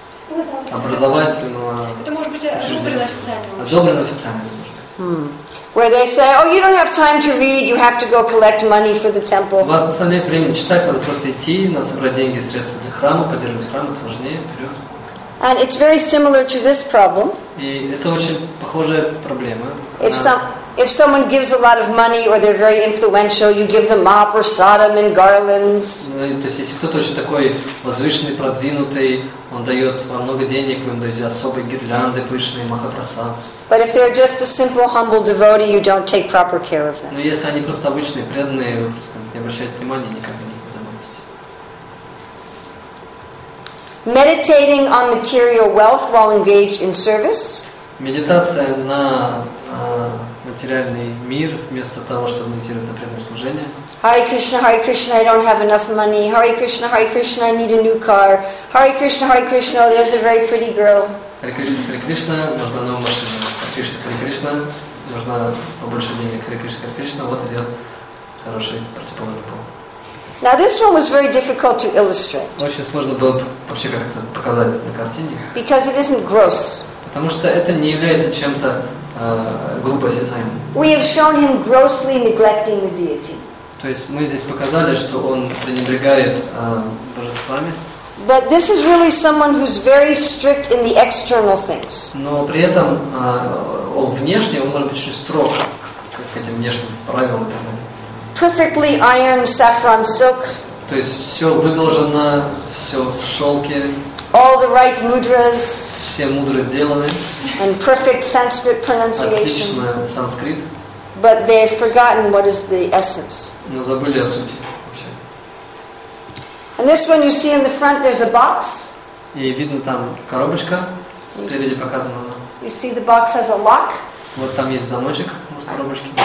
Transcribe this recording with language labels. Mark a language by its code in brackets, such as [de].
[en] Where they say, "Oh, you don't have time to read. You have to go collect money for the temple." [ru] У вас на самом деле времени читать, надо просто идти, надо собрать деньги, средства для храма, поддерживать храм, это важнее, вперед. [en] And it's very similar to this problem. [ru] И это очень похожая проблема. [en] If someone gives a lot of money or they're very influential, you give them mop or sodom and garlands. [ru] То есть если кто-то очень такой возвышенный, продвинутый, он дает вам много денег, вы ему даете особые гирлянды, пышные махапрасад. [en] But if they're just a simple, humble devotee, you don't take proper care of them. [ru] Но если они просто обычные преданные, вы просто не обращаете внимания, никак не заботитесь. [en] Meditating on material wealth while engaged in service. [ru] Медитация на материальный мир вместо того, чтобы медитировать на преданное служение. [en] Hare Krishna, Hare Krishna, I don't have enough money. Hare Krishna, Hare Krishna, I need a new car. Hare Krishna, Hare Krishna, oh, there's a very pretty girl. [ru] Hare Krishna, Hare Krishna, нужна новая машина. Hare Krishna, Hare Krishna, нужна побольше денег. Hare Krishna, Hare Krishna, вот идет хороший противоположный пол. [en] Now this one was very difficult to illustrate. [ru] Очень сложно было вообще как-то показать на картине. [en] Because it isn't gross. [ru] Потому что это не является чем-то грубо осязаемым. [en] We have shown him grossly neglecting the deity. [ru] То есть мы здесь показали, что он пренебрегает божествами. [en] But this is really someone who's very strict in the external things. [ru] Но при этом он внешне, он может быть очень строг к этим внешним правилам и так далее. [en] Perfectly ironed saffron silk. [ru] То есть все выглажено, все в шелке. [en] All the right mudras. [ru] Все мудры сделаны. [en] And perfect Sanskrit pronunciation. [ru] Отлично санскрит. [en] But they've forgotten what is the essence. [ru] Но забыли о сути вообще. [en] And this one you see in the front, there's a box. [ru] И видно там коробочка. Спереди показано. [en] You see the box has a lock. [ru] Вот там есть замочек с коробочки.